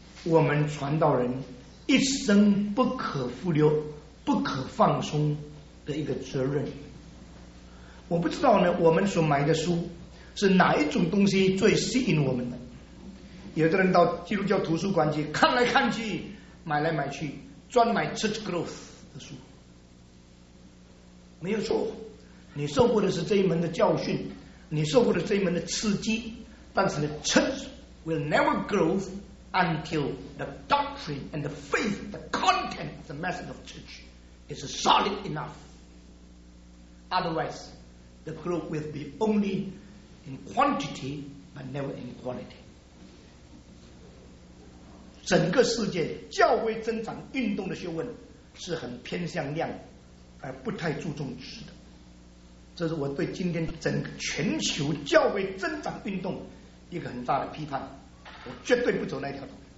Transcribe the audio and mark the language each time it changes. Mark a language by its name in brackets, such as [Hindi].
[Chinese] 我们传道人一生不可忽略、不可放松的一个责任。我不知道呢，我们所买的书是哪一种东西最吸引我们的？有的人到基督教图书馆去看来看去，买来买去，专买 Church Growth 的书。没有错，你受过的是这一门的教训，你受过的这一门的刺激，但是呢 [English] Church will never growUntil the doctrine and the faith, the content of the message of church is solid enough. Otherwise, the growth will be only in quantity but never in quality. [Chinese] 整个世界教会增长运动的学问是很偏向量，而不太注重质的。这是我对今天整个全球教会增长运动一个很大的批判。我绝对不走那条路。